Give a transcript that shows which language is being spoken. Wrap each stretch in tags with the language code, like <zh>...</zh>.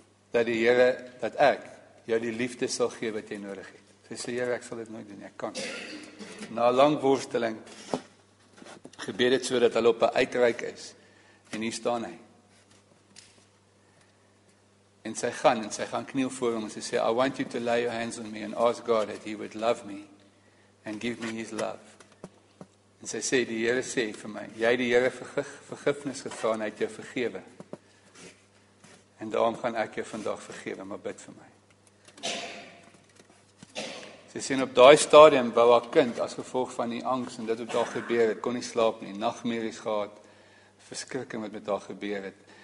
<af>Dat die Here, dat ek, jou die liefde sal gee wat jy nodig het. Sy sê, Here, ek sal dit nooit doen, ek kan. Na lang worsteling, gebeur het so dat hulle op 'n uitreik is. En hier staan hy. En sy gaan kniel voor hom, en sy sê,</af> <en>I want you to lay your hands on me and ask God that he would love me and give me his love.</en> <af>En sy sê, die Here sê vir my, jy het die Here vergifnis gevra en hy het jou vergewe. En daarom gaan ek jou vandag vergewe, maar bid vir my. Sy sê, op daai stadium wou haar kind, as gevolg van die angs en dit wat daar gebeur het, kon nie slaap nie, nagmerries gehad, verskrikking wat met haar gebeur het.</af>